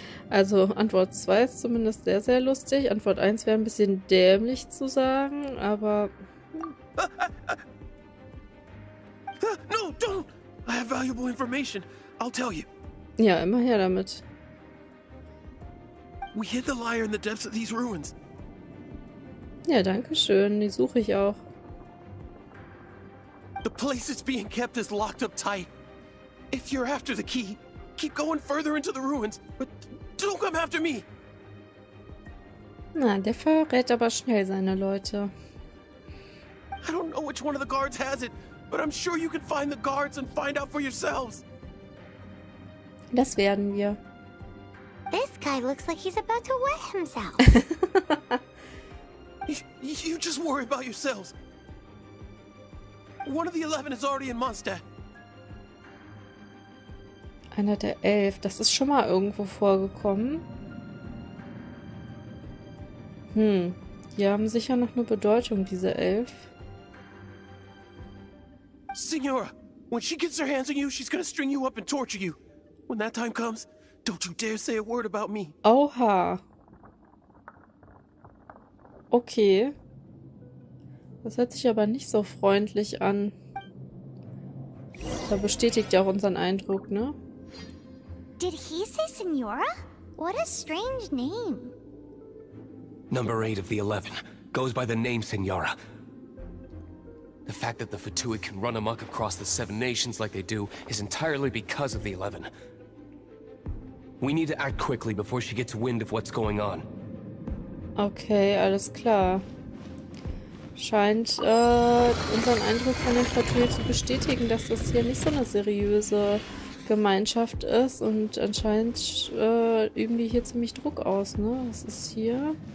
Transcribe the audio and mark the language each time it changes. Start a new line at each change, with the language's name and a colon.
German: Also Antwort 2 ist zumindest sehr, sehr lustig. Antwort 1 wäre ein bisschen dämlich zu sagen, aber.
English: No, don't! I have valuable information. I'll tell you.
German: Ja, immer her damit.
English: We hid the lyre in the depths of these ruins.
German: Ja, danke schön. Die suche ich auch.
English: The place it's being kept is locked up tight. If you're after the key, keep going further into the ruins, but don't come after me.
German: Na, der verrät aber schnell seine Leute.
English: I don't know which one of the guards has it, but I'm sure you can find the guards and find out for yourselves.
German: Das werden wir.
English: This guy looks like he's about to wet himself. You just worry about yourselves. One of the 11 is already in Mondstadt.
German: Einer der Elf, das ist schon mal irgendwo vorgekommen. Die haben sicher noch eine Bedeutung, diese Elf.
English: Signora, when she gets her hands on you, she's gonna string you up and torture you. When that time comes, don't you dare say a word about me. Oha. Okay.
German: Das hört sich aber nicht so freundlich an. Da bestätigt ja auch unseren Eindruck, ne?
English: Did he say Signora? What a strange name. Number 8 of the 11 goes by the name Signora. The fact that the Fatui can run amok across the Seven Nations like they do is entirely because of the 11. We need to act quickly before she gets wind of what's going on.
German: Okay, alles klar. Scheint unseren Eindruck von den Fatui zu bestätigen, dass das hier nicht so eine seriöse Gemeinschaft ist und anscheinend üben wir hier ziemlich Druck aus, ne? Was ist hier?